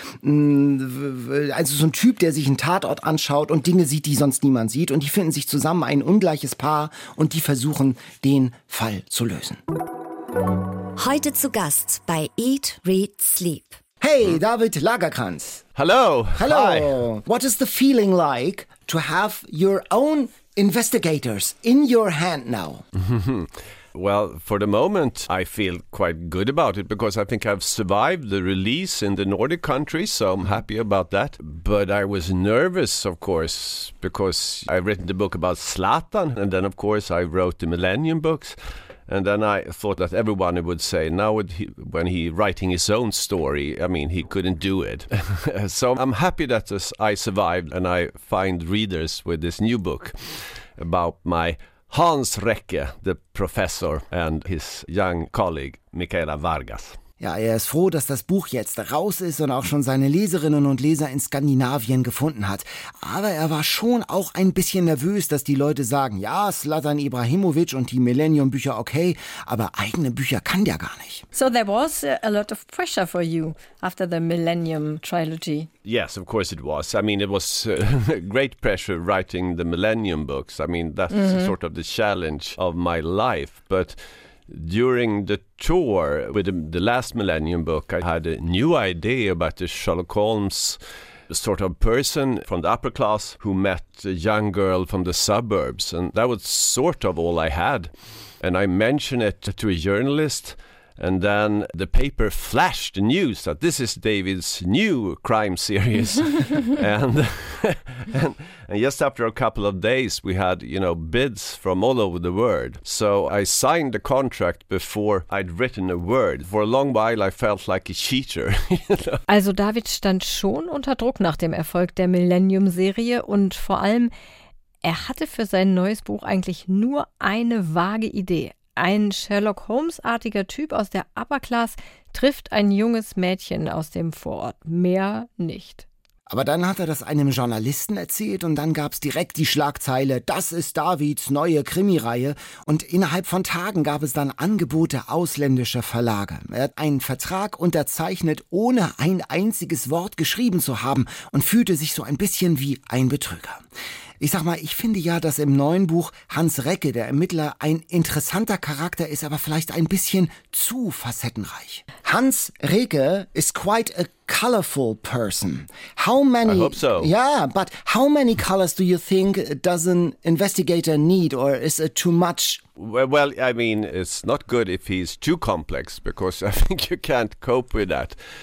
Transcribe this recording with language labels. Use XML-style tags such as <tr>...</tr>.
<de>Also so ein Typ, der sich einen Tatort anschaut und Dinge sieht, die sonst niemand sieht. Und die finden sich zusammen ein ungleiches Paar und die versuchen, den Fall zu lösen. Heute zu Gast bei Eat, Read, Sleep. Hey, David Lagerkranz.</de> <en>Hello. Hello. Hi. What is the feeling like to have your own investigators in your hand now? Well, for the moment, I feel quite good about it because I think I've survived the release in the Nordic countries, so I'm happy about that. But I was nervous, of course, because I've written the book about Zlatan, and then, of course, I wrote the Millennium books. And then I thought that everyone would say, now when he writing his own story, I mean, he couldn't do it. So I'm happy that I survived and I find readers with this new book about my Hans Recke, the professor, and his young colleague, Michaela Vargas.</en> <de>Ja, er ist froh, dass das Buch jetzt raus ist und auch schon seine Leserinnen und Leser in Skandinavien gefunden hat. Aber er war schon auch ein bisschen nervös, dass die Leute sagen, ja, Zlatan Ibrahimovic und die Millennium-Bücher okay, aber eigene Bücher kann der gar nicht.</de> <en>So there was a lot of pressure for you after the Millennium Trilogy. Yes, of course it was. I mean, it was great pressure writing the Millennium books. I mean, that's sort of the challenge of my life, but... During the tour with the last Millennium book, I had a new idea about the Sherlock Holmes sort of person from the upper class who met a young girl from the suburbs. And that was sort of all I had. And I mentioned it to a journalist. And then the paper flashed the news that this is David's new crime series. And... And just after a couple of days, we had, you know, bids from all over the world. So I signed the contract before I'd written a word. For a long while, I felt like a cheater. You know?</en> <de>Also David stand schon unter Druck nach dem Erfolg der Millennium-Serie und vor allem, er hatte für sein neues Buch eigentlich nur eine vage Idee. Ein Sherlock Holmes-artiger Typ aus der Upper Class trifft ein junges Mädchen aus dem Vorort. Mehr nicht. Aber dann hat er das einem Journalisten erzählt und dann gab es direkt die Schlagzeile, das ist Davids neue Krimireihe. Und innerhalb von Tagen gab es dann Angebote ausländischer Verlage. Er hat einen Vertrag unterzeichnet, ohne ein einziges Wort geschrieben zu haben und fühlte sich so ein bisschen wie ein Betrüger. Ich sag mal, ich finde ja, dass im neuen Buch Hans Recke, der Ermittler, ein interessanter Charakter ist, aber vielleicht ein bisschen zu facettenreich.</de> <en>Hans Recke is quite a colorful person. How many? I hope so. Yeah, but how many colors do you think does an investigator need, or is it too much? Well, I mean, it's not good if he's too complex, because I think you can't cope with that.</en>